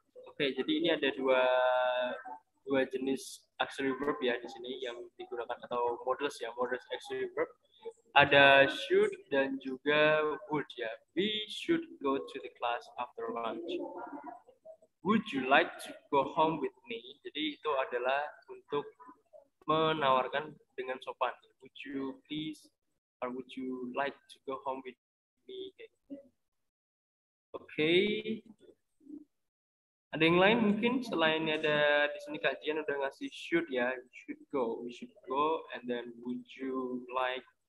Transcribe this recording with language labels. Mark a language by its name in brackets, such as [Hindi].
[Indonesian] Oke, jadi ini ada dua jenis auxiliary verb ya di sini yang digunakan atau modals ya, modals auxiliary verb. Ada should dan juga would ya. [English] We should go to the class after lunch. Would you like to go home with me? [Indonesian] Jadi itu adalah untuk menawarkan dengan sopan. [English] Would you please or would you like to go home with me? Okay. [Indonesian] Ada yang lain mungkin selain ada di sini Kak Jian udah ngasih should ya. [English] Should go, we should go, and then would you like